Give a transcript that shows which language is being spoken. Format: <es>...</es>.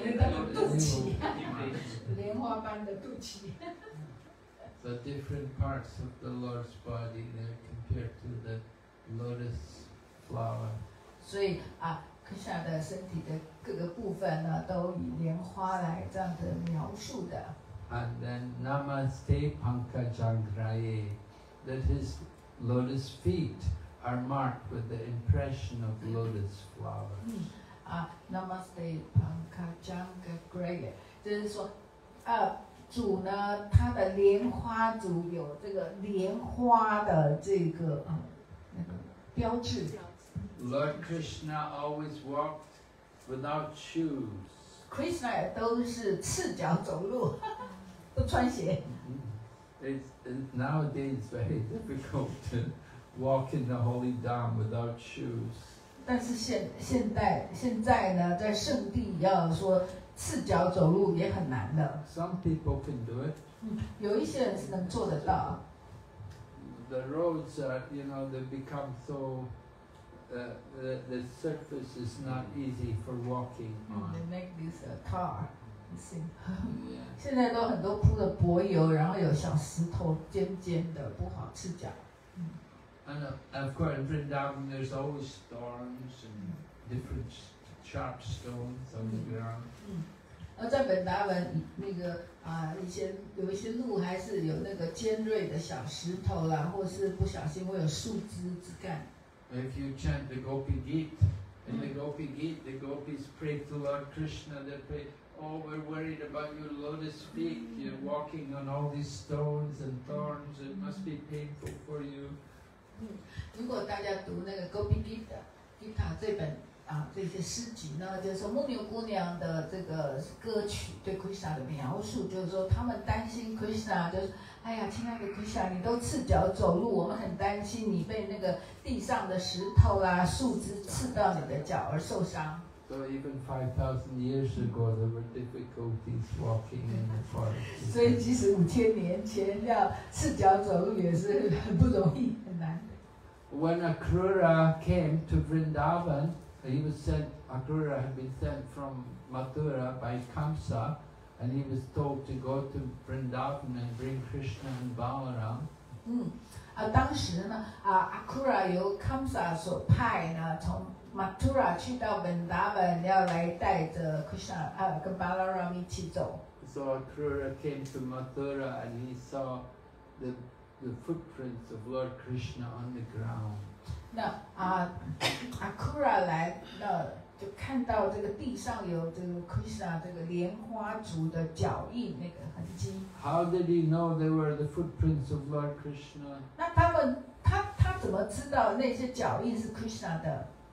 <en>And then the</en> <zh>肚脐，莲花般的肚脐。</zh> <en>The different parts of the Lord's body there compared to the lotus flower.</en> <zh>所以啊，克夏的身体的各个部分呢，都以莲花来这样的描述的。</zh> <en>And then Namaste Pankajangraye, that is. Lotus feet are marked with the impression of lotus flowers.</en> <sa>Namaste Pankajangraye.</sa> <zh>就是说，主呢，他的莲花足有这个莲花的这个标志。</zh> <en>Lord Krishna always walked without shoes.</en> <zh>Krishna 都是赤脚走路，不穿鞋。</zh> <en>It's nowadays very difficult to walk in the holy dam without shoes.</en> <zh>但是现在呢，在圣地要说赤脚走路也很难的。</zh> <en>Some people can do it.</en> <zh>有一些人是能做得到。</zh> <en>The roads are, you know, they become so, the surface is not easy for walking on. They make this a tar. Yeah.</en> <zh>现在都很多铺的柏油，然后有小石头尖尖的，不好赤脚。</zh> <en>And of course, in Vrindavan, there's always thorns and different sharp stones on the ground.</en> <zh>而在本达文那个有一些路还是有那个尖锐的小石头啦，或是不小心会有树枝枝干。</zh> <en>If you chant the Gopi Geet, in the Gopi Geet, the Gopis pray to Lord Krishna. They pray. Oh, we're worried about your lotus feet. You're walking on all these stones and thorns. It must be painful for you.</en> <zh>如果大家读那个 Gopi Gita 这本这些诗集呢，就是说牧牛姑娘的这个歌曲对 Krishna 的描述，就是说他们担心 Krishna， 就是哎呀，亲爱的 Krishna， 你都赤脚走路，我们很担心你被那个地上的石头啊、树枝刺到你的脚而受伤。</zh> <en>So even 5,000 years ago, there were difficulties walking in the forest.</en> <zh>所以即使5000年前要赤脚走路也是很不容易、很难的。</zh> <en>when Akrura came to Vrindavan, he was sent, Akrura had been sent from Mathura by Kamsa, and he was told to go to Vrindavan and bring Krishna and Balaram. Mm.</en> <zh>当时呢，啊，阿库拉由康萨所派呢，从马图拉去到文达本，要来带着克什纳跟巴拉拉米一起走。</zh> <en>So Akrura came to Mathura and he saw the footprints of Lord Krishna on the ground.</en> <zh>那阿库拉来，那就看到这个地上有这个克什纳这个莲花族的脚印那个痕迹。</zh> <en>How did he know they were the footprints of Lord Krishna?</en> <zh>那他们，他怎么知道那些脚印是克什纳的？</zh>